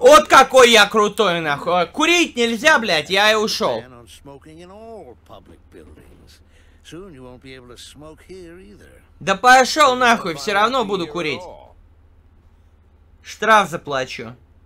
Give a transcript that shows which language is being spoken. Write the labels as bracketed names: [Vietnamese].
[Russian] Вот какой я крутой, нахуй! Курить нельзя, блядь, я и ушел. [English] Ban on smoking in all public buildings. Soon you won't be able to smoke here either. [Russian] Да пошел нахуй, все равно буду курить. Штраф заплачу.